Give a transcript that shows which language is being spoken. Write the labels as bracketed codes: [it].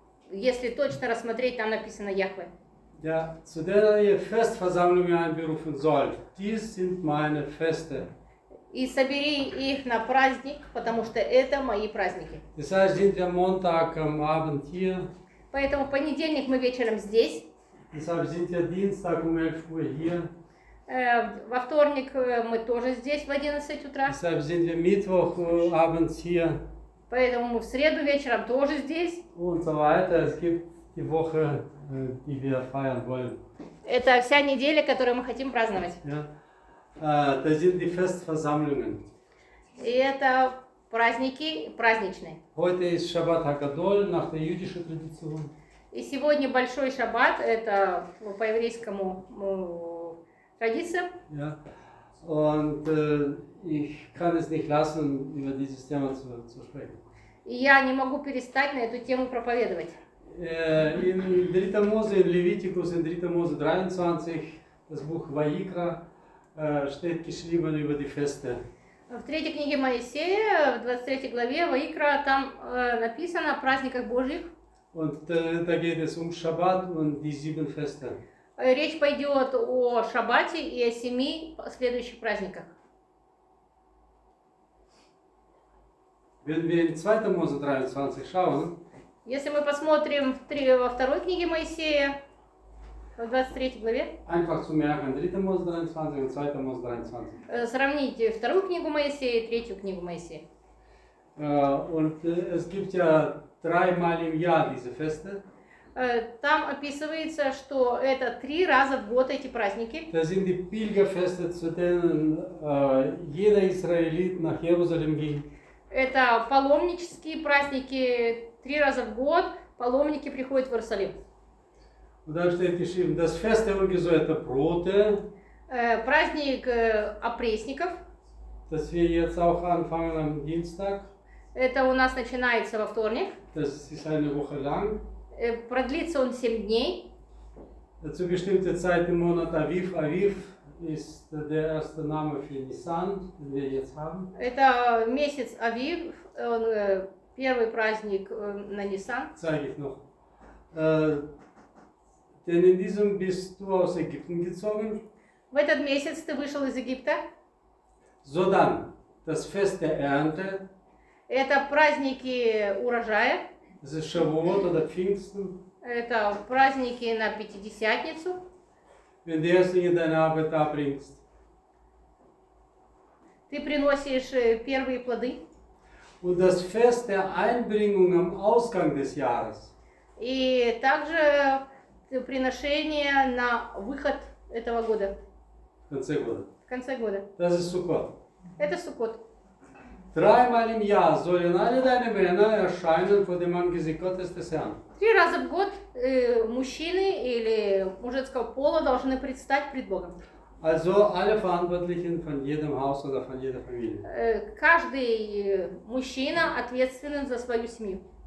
[ru] Если точно рассмотреть, там написано Яхве. [de] Ja, zu der ihr Festversammlungen einberufen sollt, dies sind meine Feste. [ru] И собери их на праздник, потому что это мои праздники. [de] Deshalb sind wir Montag am Abend hier. [ru] Поэтому понедельник мы вечером здесь. [de] Deshalb sind wir Dienstag um 11 Uhr hier. [ru] Во вторник мы тоже здесь в 11 утра. [de] Deshalb sind wir Mittwoch abends hier. [ru] Поэтому мы в среду вечером тоже здесь. [de] Und so weiter. Es gibt die Woche, die wir feiern wollen. [ru] Это вся неделя, которую мы хотим праздновать. [de] Das sind die Festversammlungen. [ru] И это праздники праздничные. [de] Heute ist Shabbat HaGadol nach der jüdischen Tradition. [ru] И сегодня большой Шаббат, это по еврейскому традициям. [de] Ja. Und ich kann es nicht lassen, über dieses Thema zu sprechen. [ru] И я не могу перестать на эту тему проповедовать. [de] In dritter Mose, in Leviticus, in dritter Mose 23, das Buch Vayikra, steht geschrieben über die Feste. [ru] В третьей книге Моисея, в 23 главе Ваикра, там написано о праздниках Божьих. [de] Und da geht es Shabbat und die sieben Feste. [ru] Речь пойдет о Шаббате и о семи следующих праздниках. [de] Wenn wir in 2. Mose 23 schauen, [ru] если мы посмотрим во второй книге Моисея, в 23 главе. [de] Einfach zu merken, 3. Mose 23 und 2. Mose 23. [ru] Сравните вторую книгу Моисея и третью книгу Моисея. [de] Und es gibt ja dreimal im Jahr diese Feste. [ru] Там описывается, что это три раза в год эти праздники. [de] Das sind die Pilgerfeste, zu denen jeder Israelit nach Jerusalem ging. [ru] Это паломнические праздники. Три раза в год паломники приходят в Иерусалим. [de] Das Fest der Ungesäuerten, [ru] это [de] Brote. [ru] Праздник опресников. [de] Das wir jetzt auch anfangen am Dienstag. [ru] Это у нас начинается во вторник. [de] Das ist eine Woche lang. [ru] Продлится он 7 дней. [de] Dazu bestimmte Zeit im Monat Aviv. Aviv ist der erste Name für Nissan, den wir jetzt haben. [ru] Это месяц Авив. Первый праздник на Ниссан. [de] Zeige ich noch. Denn in diesem bist du aus Ägypten gezogen. [ru] В этот месяц ты вышел из Египта. [de] So dann, das Fest der Ernte. [ru] Это праздники урожая. [de] Das ist Shavuot oder Pfingsten. [ru] Это праздники на Пятидесятницу. [de] Wenn die Erstlinge deine Arbeit abbringst. [ru] Ты приносишь первые плоды. [de] Und das Fest der Einbringung am Ausgang des Jahres. [ru] И также приношение на выход этого года. В конце года. В конце года. [de] Das ist Sukkot. [ru] Это Суккот. [de] Dreimal im Jahr sollen alle deine Männer erscheinen vor dem Angesicht Gottes des Herrn. [ru] Три раза в год мужчины или мужского пола должны предстать пред Богом. [de] Also alle Verantwortlichen von jedem Haus oder von jeder Familie. [ru] Каждый мужчина ответственен за свою семью.